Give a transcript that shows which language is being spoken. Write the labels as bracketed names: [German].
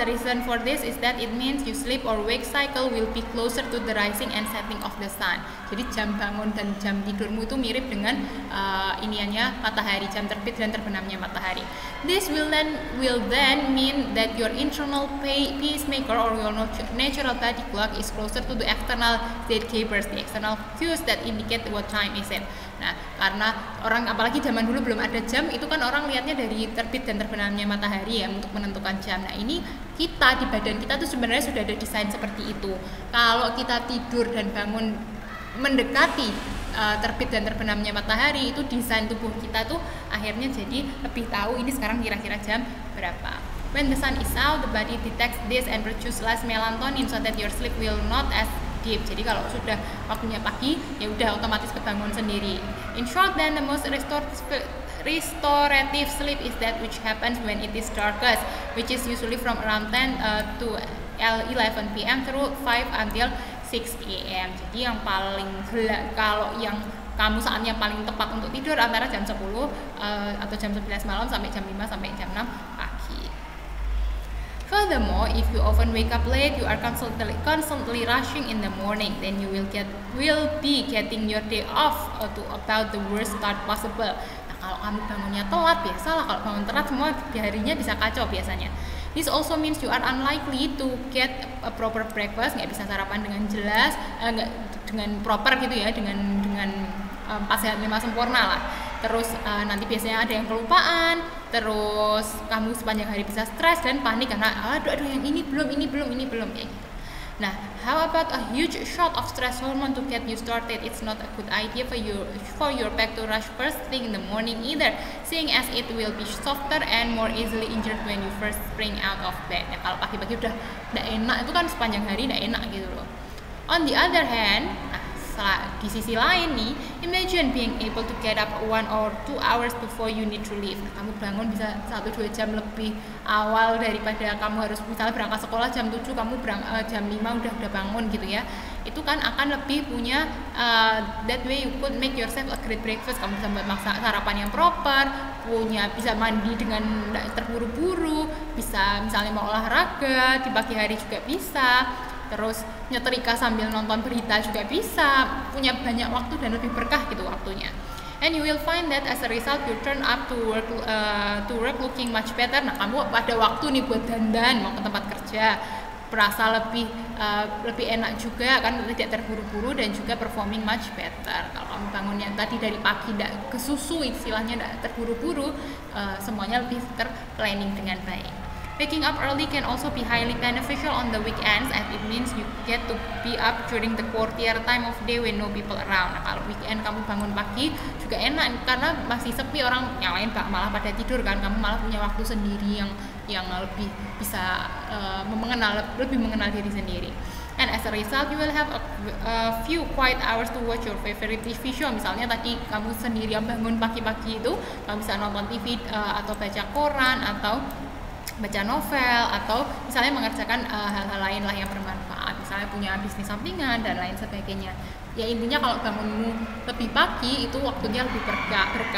[English] The reason for this is that it means your sleep or wake cycle will be closer to the rising and setting of the sun. [Indonesian] Jadi jam bangun dan jam tidurmu itu mirip dengan iniannya matahari, jam terbit dan terbenamnya matahari. [English] This will then mean that your internal pacemaker or your natural body clock is closer to the external gatekeepers, the external cues that indicate what time is it. [Indonesian] Nah, karena orang, apalagi zaman dulu belum ada jam, itu kan orang lihatnya dari terbit dan terbenamnya matahari ya untuk menentukan jam. Nah, ini kita di badan kita tuh sebenarnya sudah ada desain seperti itu. Kalau kita tidur dan bangun mendekati terbit dan terbenamnya matahari, itu desain tubuh kita tuh akhirnya jadi lebih tahu ini sekarang kira-kira jam berapa. [English] When the sun is out, the body detects this and produces less melatonin so that your sleep will not as deep. [Indonesian] Jadi kalau sudah waktunya pagi, ya udah otomatis kebangun sendiri. [English] In short, then the most restorative sleep is that which happens when it is darkest, which is usually from around 10 to 11 p.m. through 5 until 6 a.m. [Indonesian] Jadi yang paling gelap, kalau yang kamu saatnya paling tepat untuk tidur antara jam 10 atau jam 11 malam sampai jam 5 sampai jam 6 pagi. [English] Furthermore, if you often wake up late, you are constantly rushing in the morning, then you will be getting your day off to about the worst start possible. [Indonesian] Nah, kalau kamu bangunnya telat, biasalah kalau bangun telat semua di harinya bisa kacau biasanya. [English] This also means you are unlikely to get a proper breakfast, [Indonesian] nggak bisa sarapan dengan jelas, nggak dengan proper gitu ya, dengan pas sehat lima sempurna lah. Terus nanti biasanya ada yang kelupaan, terus kamu sepanjang hari bisa stres dan panik karena aduh yang ini belum kayak gitu. [English] Nah, how about a huge shot of stress hormone to get you started? It's not a good idea for your back to rush first thing in the morning either, seeing as it will be softer and more easily injured when you first spring out of bed. [Indonesian] Nah, kalau pagi-pagi udah enggak enak itu kan sepanjang hari enggak enak gitu loh. [English] On the other hand, [Indonesian] di sisi lain nih, [English] imagine being able to get up 1 or 2 hours before you need to leave. [Indonesian] Nah, kamu bangun bisa 1-2 jam lebih awal daripada kamu harus misalnya berangkat sekolah jam 7, kamu jam 5 udah bangun gitu ya. Itu kan akan lebih punya, [English] that way you could make yourself a great breakfast. [Indonesian] Kamu bisa buat sarapan yang proper, punya bisa mandi dengan terburu-buru, bisa misalnya mau olahraga, di pagi hari juga bisa. Terus nyetrika sambil nonton berita juga bisa, punya banyak waktu dan lebih berkah gitu waktunya. [English] And you will find that as a result you turn up to work looking much better. [Indonesian] Nah, kamu pada waktu nih buat dandan mau ke tempat kerja, berasa lebih enak juga kan, tidak terburu-buru dan juga [English] performing much better. [Indonesian] Kalau kamu bangunnya tadi dari pagi enggak kesusu istilahnya, enggak terburu-buru, semuanya lebih terplanning dengan baik. [English] Waking up early can also be highly beneficial on the weekends, as it means you get to be up during the quieter time of day when no people around. [Indonesian] Nah, kalau weekend kamu bangun pagi juga enak karena masih sepi, orang yang lain malah pada tidur kan, kamu malah punya waktu sendiri yang lebih bisa lebih mengenal diri sendiri. [English] And as a result, you will have a few quiet hours to watch your favorite TV show. [Indonesian] Misalnya tadi kamu sendiri yang bangun pagi-pagi itu, kamu bisa nonton TV atau baca koran atau baca novel atau misalnya mengerjakan hal-hal lain lah yang bermanfaat, misalnya punya bisnis sampingan dan lain sebagainya. Ya intinya kalau bangunmu lebih pagi itu waktunya lebih berkah.